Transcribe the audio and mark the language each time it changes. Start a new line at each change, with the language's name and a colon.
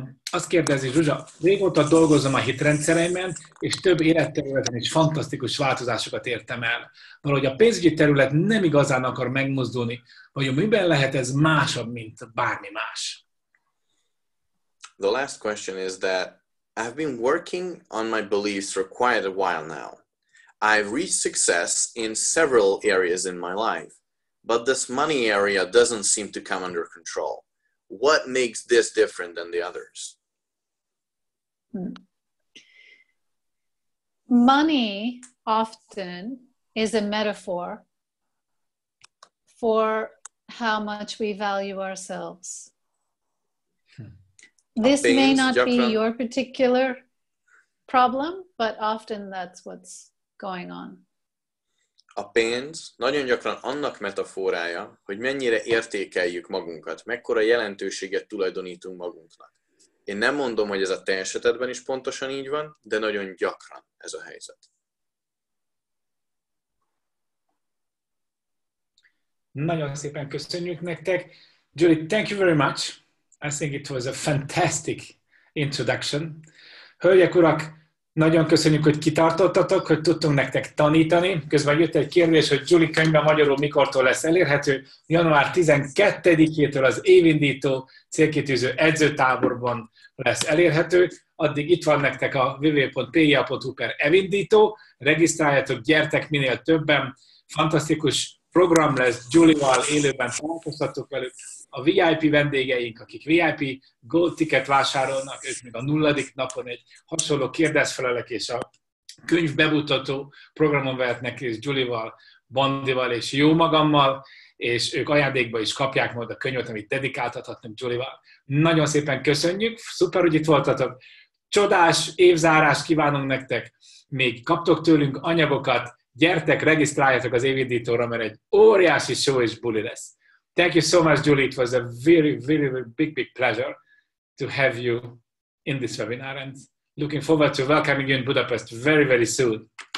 Hungarian: Azt kérdezi Zsuzsa, régóta dolgozom a hitrendszereimen, és több életterületen is fantasztikus változásokat értem el. Valahogy a pénzügyi terület nem igazán akar megmozdulni, vagy miben lehet ez másabb, mint bármi más?
English: The last question is that I've been working on my beliefs for quite a while now. I've reached success in several areas in my life, but this money area doesn't seem to come under control. What makes this different than the others? Money often is a metaphor for how much we value ourselves. This may not be your particular problem, but often that's what's going on.
Hungarian: A pénz nagyon gyakran annak metaforája, hogy mennyire értékeljük magunkat, mekkora jelentőséget tulajdonítunk magunknak. Én nem mondom, hogy ez a te esetedben is pontosan így van, de nagyon gyakran ez a helyzet. Nagyon szépen köszönjük nektek.
English: Julie, thank you very much. I think it was a fantastic introduction.
Hungarian: Hölgyek, urak! Nagyon köszönjük, hogy kitartottatok, hogy tudtunk nektek tanítani. Közben jött egy kérdés, hogy Julie könyve magyarul mikortól lesz elérhető. Január 12-től az évindító célkitűző edzőtáborban lesz elérhető. Addig itt van nektek a www.pia.hu/evindító. Regisztráljátok, gyertek minél többen. Fantasztikus program lesz, Julie-val élőben találkoztatok velük. A VIP vendégeink, akik VIP Gold Ticket vásárolnak, ők még a nulladik napon egy hasonló kérdezfelelek és a könyv bemutató programon vehetnek és Julie-val, Bandival és jó magammal, és ők ajándékba is kapják majd a könyvet, amit dedikáltathatnak Julie-val. Nagyon szépen köszönjük, szuper, hogy itt voltatok, csodás évzárás kívánunk nektek, még kaptok tőlünk anyagokat, gyertek, regisztráljatok az évindítóra, mert egy óriási show és buli lesz.
English: Thank you so much, Julie. It was a very, very, very big, big pleasure to have you in this webinar and looking forward to welcoming you in Budapest very, very soon.